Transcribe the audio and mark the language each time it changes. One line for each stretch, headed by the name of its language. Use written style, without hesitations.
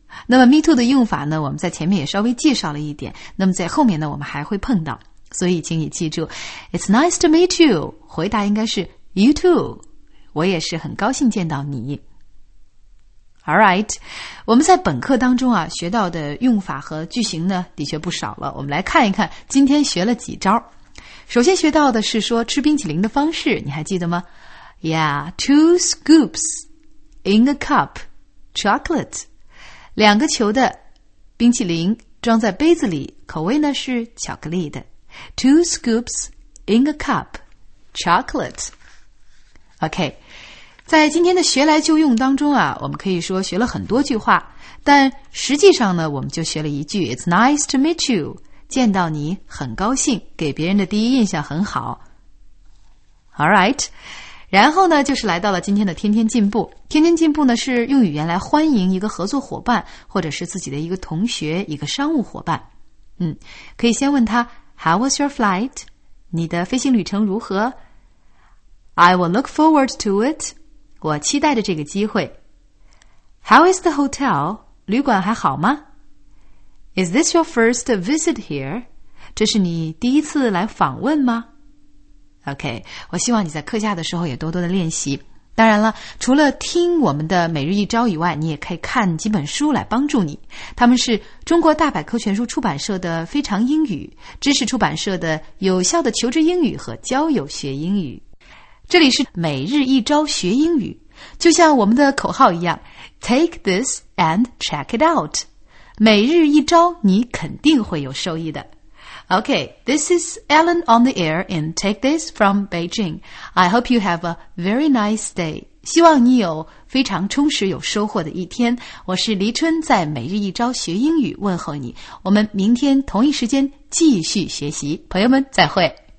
Chinese: 那么 me too 的用法呢，我们在前面也稍微介绍了一点，那么在后面呢我们还会碰到，所以请你记住
English: It's nice to meet you,
Chinese: 回答应该是
English: you too,
Chinese: 我也是很高兴见到你。
English: All right.
Chinese: 我们在本课当中啊，学到的用法和句型呢，的确不少了。我们来看一看今天学了几招。首先学到的是说吃冰淇淋的方式，你还记得吗？
English: Yeah, two scoops in a cup, chocolate.
Chinese: 两个球的冰淇淋装在杯子里，口味呢是巧克力的。
English: Two scoops in a cup, chocolate. Okay.
Chinese: 在今天的学来就用当中啊，我们可以说学了很多句话，但实际上呢，我们就学了一句
English: It's nice to meet you，
Chinese: 见到你很高兴，给别人的第一印象很好。 All right， 然后呢，就是来到了今天的天天进步。天天进步呢，是用语言来欢迎一个合作伙伴，或者是自己的一个同学、一个商务伙伴。可以先问他
English: How was your flight？
Chinese: 你的飞行旅程如何？
English: I will look forward to it.
Chinese: 我期待着这个机会。
English: How is the hotel?
Chinese: 旅馆还好吗？
English: Is this your first visit here?
Chinese: 这是你第一次来访问吗？
English: OK, 我希望你在课下的时候也多多的练习。
Chinese: 当然了，除了听我们的每日一招以外，你也可以看几本书来帮助你。他们是中国大百科全书出版社的非常英语，知识出版社的有效的求职英语和交友学英语。这里是每日一招学英语，就像我们的口号一样
English: Take this and check it out，
Chinese: 每日一招你肯定会有收益的。
English: OK, this is Ellen on the air in Take This from Beijing. I hope you have a very nice day.
Chinese: 希望你有非常充实有收获的一天。我是黎春，在每日一招学英语问候你，我们明天同一时间继续学习，朋友们再会。